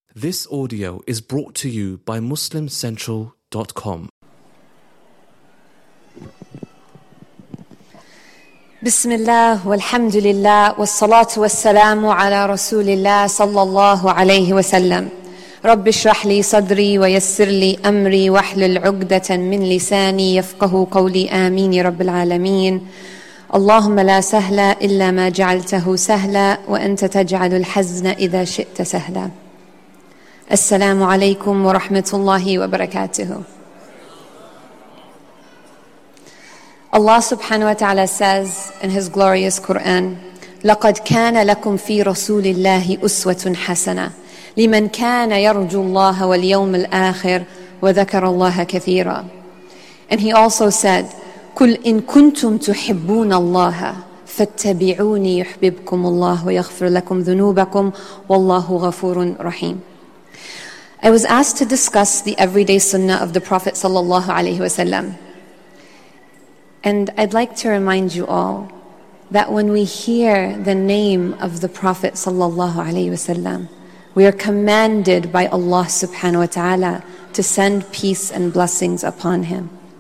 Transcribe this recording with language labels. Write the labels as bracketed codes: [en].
[en] This audio is brought to you by MuslimCentral.com. [ar] بسم الله والحمد لله والصلاة والسلام على رسول الله صلى الله عليه وسلم. رب اشرح لي صدري ويسر لي أمري واحلل عقدة من لساني يفقه قولي آمين رب العالمين. اللهم لا سهل إلا ما جعلته سهلا وأنت تجعل الحزن إذا شئت سهلا. السلام عليكم ورحمة الله وبركاته. [en] Allah subhanahu wa ta'ala says in His glorious Quran, [ar] لَقَدْ كَانَ لَكُمْ فِي رَسُولِ اللَّهِ أُسْوَةٌ حَسَنَةٌ لِمَنْ كَانَ يَرْجُ اللَّهَ وَالْيَوْمِ الْآخِرِ وَذَكَرَ اللَّهَ كَثِيرًا. [en] And He also said, [ar] قُلْ إِن كُنْتُمْ تُحِبُّونَ اللَّهَ فَاتَّبِعُونِي يُحْبِبْكُمُ اللَّهُ وَيَغْفِرْ لَكُمْ ذُنُوبَكُمْ وَاللَّهُ غَفُورٌ رَحِيمٌ. [en] I was asked to discuss the everyday sunnah of the Prophet sallallahu alaihi wasallam. And I'd like to remind you all that when we hear the name of the Prophet sallallahu alaihi wasallam, we are commanded by Allah subhanahu wa ta'ala to send peace and blessings upon him.